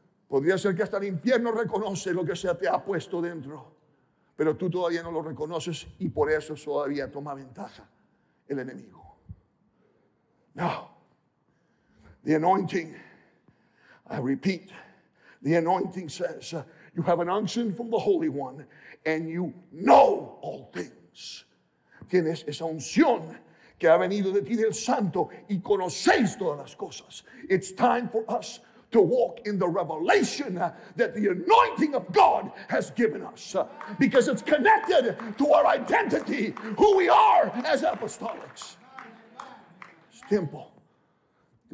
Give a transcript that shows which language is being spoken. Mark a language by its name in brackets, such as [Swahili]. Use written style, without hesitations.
[Spanish] Podría ser que hasta el infierno reconoce lo que se te ha puesto dentro, pero tú todavía no lo reconoces y por eso todavía toma ventaja el enemigo. No. [English] The anointing, I repeat, the anointing says, you have an unction from the Holy One and you know all things. [Spanish] Tienes esa unción que ha venido de ti del Santo y conocéis todas las cosas. [English] It's time for us to walk in the revelation that the anointing of God has given us. Because it's connected to our identity, who we are as apostolics. [Spanish] Es tiempo de